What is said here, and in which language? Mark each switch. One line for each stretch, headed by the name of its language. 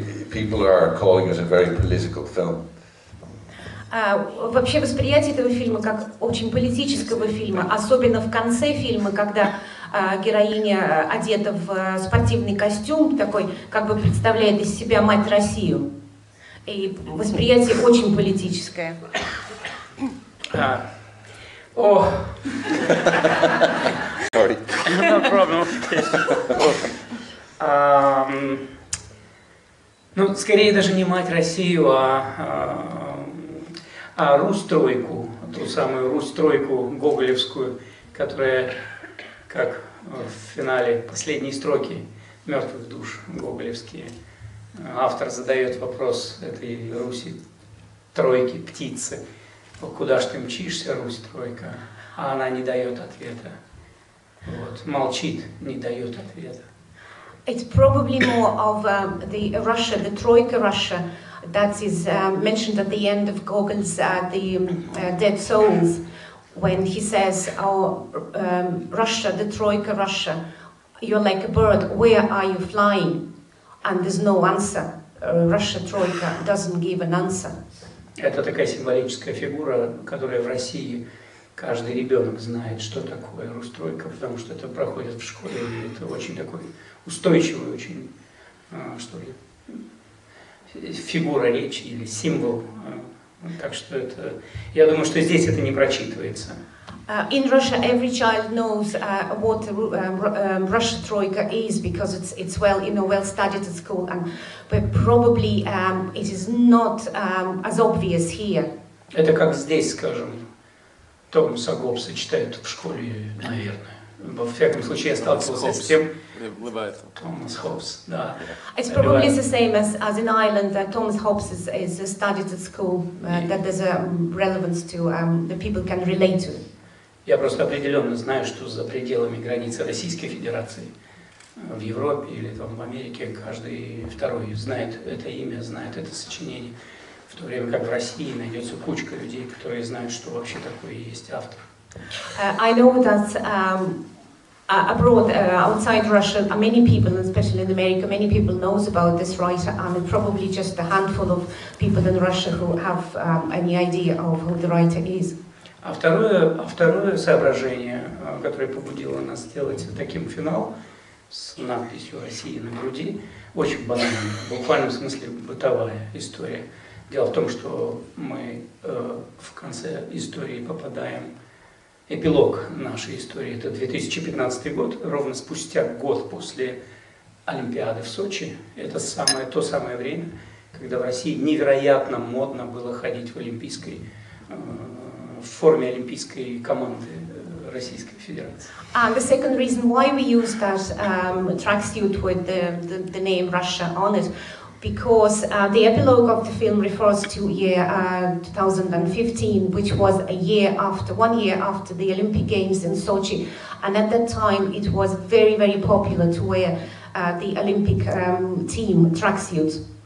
English: People are calling it a very political film.
Russian: Вообще восприятие этого фильма как очень политического фильма, особенно в конце фильма, когда героиня одета в спортивный костюм, такой как бы представляет из себя мать Россию. И восприятие очень политическое.
English: Oh. Sorry. No problem.
Russian: Ну, скорее даже не мать Россию, а Рустройку, ту самую Рустройку гоголевскую, которая, как в финале последней строки «Мертвых душ» гоголевские, автор задает вопрос этой Руси, тройки, птицы, куда ж ты мчишься, Русь-тройка, а она не дает ответа, вот, молчит, не дает ответа.
English: It's probably more of the Russia, the Troika Russia, that is mentioned at the end of Gogol's The Dead Souls, when he says, "Oh, Russia, the Troika Russia, you're like a bird, where are you flying?" And there's no answer. Russia Troika doesn't give an answer.
Russian: Это такая символическая фигура, которая в России каждый ребенок знает, что такое Рустройка, потому что это проходит в школе, и это очень такой устойчивый очень, что ли, фигура речи или символ. Так что это, я думаю, что здесь это не прочитывается.
English: In Russia, every child knows what Russia Troika is because it's well, you know, well studied at school, but probably it is not as obvious here.
Russian: Это как здесь, скажем, Томаса Гоббса читают в школе, наверное. Во всяком случае, я сталкивался с тем. Томас Хоббс, да.
English: It's probably the same as in Ireland, that Thomas Hobbes is studied at school, that there's a relevance to, that people can relate to.
Russian: Я просто определенно знаю, что за пределами границы Российской Федерации, в Европе или там в Америке, каждый второй знает это имя, знает это сочинение. В то время как в России найдется кучка людей, которые знают, что вообще такое есть автор.
English: I know that abroad, outside Russia, many people, especially in America, many people know about this writer, and probably just a handful of people in Russia who have any idea of who the writer is.
Russian: А второе соображение, которое побудило нас сделать таким финал с надписью России на груди, очень банально, в буквальном смысле бытовая история. Дело в том, что мы в конце истории попадаем, эпилог нашей истории, это 2015 год, ровно спустя год после Олимпиады в Сочи. Это самое, то самое время, когда в России невероятно модно было ходить в олимпийской, в форме олимпийской команды Российской Федерации.
English: And the second reason why we use that tracksuit with the name Russia on it, because the epilogue of the film refers to year 2015, which was one year after the Olympic Games in Sochi, and at that time it was very, very popular to wear the Olympic team tracksuits.